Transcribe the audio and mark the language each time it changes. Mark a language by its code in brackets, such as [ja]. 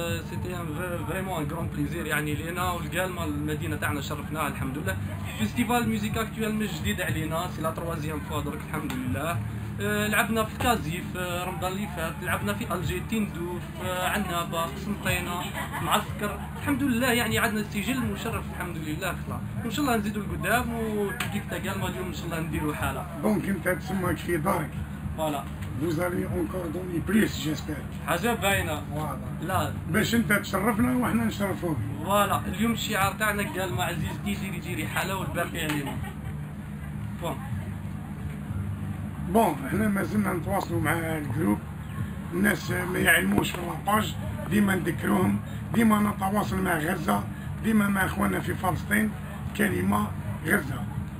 [fr] سيتي ان فريمون ان غران بليزير [ar] يعني لينا والقالما المدينه تاعنا شرفناها الحمد لله فيستيفال ميوزيك اكتويل مش جديد علينا [fr] سي لا تروازيام فوا [ar] درك الحمد لله لعبنا في كازيف رمضان اللي فات لعبنا في الجي تندوف عنابة سمطينا معسكر الحمد لله يعني عندنا السجل مشرف الحمد لله خلاص ان شاء الله نزيدوا القدام وكيف تقالما اليوم ان شاء الله نديروا حاله دونك انت تسمعك في دارك [fr] فوالا Vous allez encore donner plus, j'espère. [ar] حاجه باينه. [fr] Voilà. [ar] لا. باش انت تشرفنا وحنا نشرفوك. [fr] فوالا، [ar] اليوم الشعار تاعنا قال ما عزيز تيجي تجيري حاله والباقي علينا. فون. [fr] بون، [ar] احنا مازلنا نتواصلوا مع الجروب. الناس ما يعلموش في لاباج، ديما نذكروهم، ديما نتواصل مع غزه، ديما مع اخواننا في فلسطين. كلمه غزه.